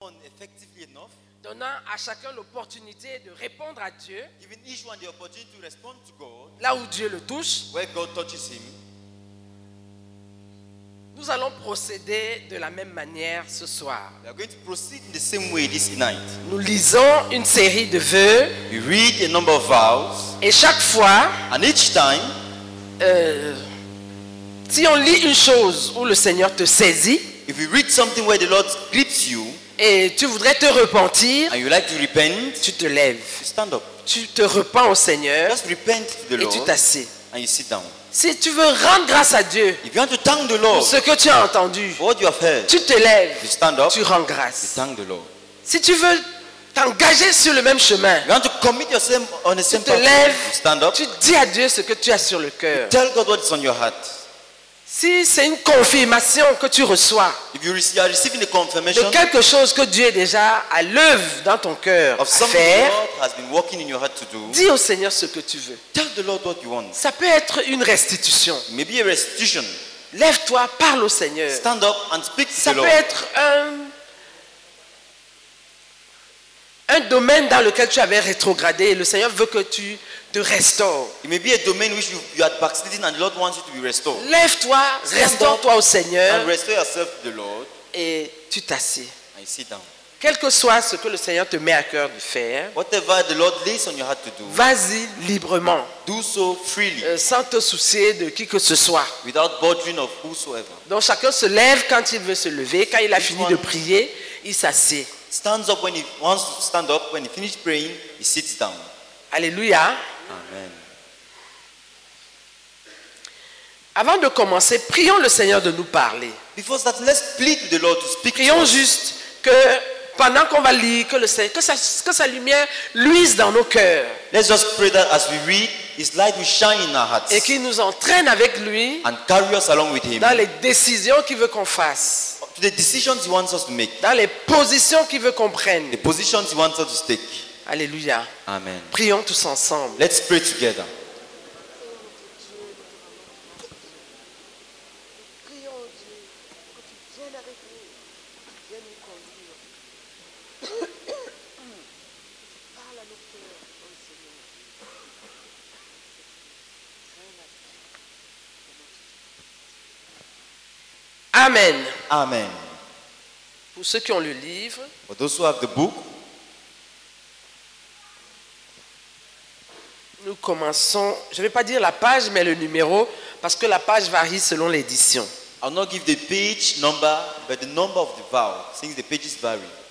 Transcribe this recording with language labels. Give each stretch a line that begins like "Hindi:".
French: donnant à chacun l'opportunité de répondre à Dieu.
English: Giving each one the opportunity to respond to God.
French: Là où Dieu le touche.
English: Where God touches him.
French: Nous allons procéder de la même manière ce soir.
English: We are going to proceed in the same way this night.
French: Nous lisons une série de vœux.
English: We read a number of vows.
French: Et chaque fois.
English: And each time.
French: Si on lit une chose où le Seigneur te saisit.
English: If you read something where the Lord grips you.
French: Et tu voudrais te repentir.
English: And you like to repent.
French: Tu te lèves.
English: You stand up.
French: Tu te repens au Seigneur.
English: Just repent to the Lord.
French: Et tu t'assieds.
English: And you sit down.
French: Si tu veux rendre grâce à Dieu pour ce que tu as entendu, tu te lèves,
English: you stand up,
French: tu rends grâce.
English: You thank the Lord.
French: Si tu veux t'engager sur le même chemin,
English: you want to commit yourself on the
French: tu
English: same
French: te
English: path,
French: lèves,
English: you stand up,
French: tu dis à Dieu ce que tu as sur le cœur.
English: Tell God what is on your heart.
French: Si c'est une confirmation que tu reçois
English: if you receive, you are receiving a confirmation
French: de quelque chose que Dieu est déjà à l'œuvre dans ton cœur
English: of something the Lord has been working in your heart to do,
French: dis au Seigneur ce que tu veux.
English: Tell the Lord what you want.
French: Ça peut être une restitution.
English: Maybe a restitution.
French: Lève-toi, parle au Seigneur.
English: Stand up and speak to
French: ça
English: the
French: peut
English: Lord.
French: Être un domaine dans lequel tu avais rétrogradé et le Seigneur veut que tu te restaures.
English: It may be a domain which you had backslidden and the Lord wants you to be restored.
French: Lève-toi, restaure-toi au Seigneur.
English: And restore yourself to the Lord.
French: Et tu t'assieds.
English: And sit down.
French: Quel que soit ce que le Seigneur te met à cœur de faire,
English: whatever the Lord lays on your heart to do,
French: vas-y librement.
English: Do so freely.
French: Sans te soucier de qui que ce soit.
English: Without bothering of whosoever.
French: Donc chacun se lève quand il veut se lever, quand il a fini de prier, il s'assied.
English: Stands up when he wants to stand up. When he finishes praying, he sits down.
French: Alléluia.
English: Amen.
French: Avant de commencer, prions le Seigneur de nous parler.
English: Before that, let's plead the Lord to speak.
French: Prions juste que pendant qu'on va lire, que le Seigneur, que sa lumière luise dans nos cœurs.
English: Let's just pray that as we read, His light will shine in our hearts.
French: Et qu'il nous entraîne avec lui.
English: And carry us along with Him.
French: Dans les décisions qu'il veut qu'on fasse.
English: The decisions he wants us to make.
French: Dans les positions qu'il veut qu'on prenne.
English: The positions he wants us to take.
French: Alléluia.
English: Amen.
French: Prions tous ensemble.
English: Let's pray together. Amen. Amen.
French: Pour ceux qui ont le livre,
English: for those who have the book,
French: nous commençons, je ne vais pas dire la page, mais le numéro, parce que la page varie selon l'édition.
English: I will not give the page number, but the number of the vow, since the pages vary.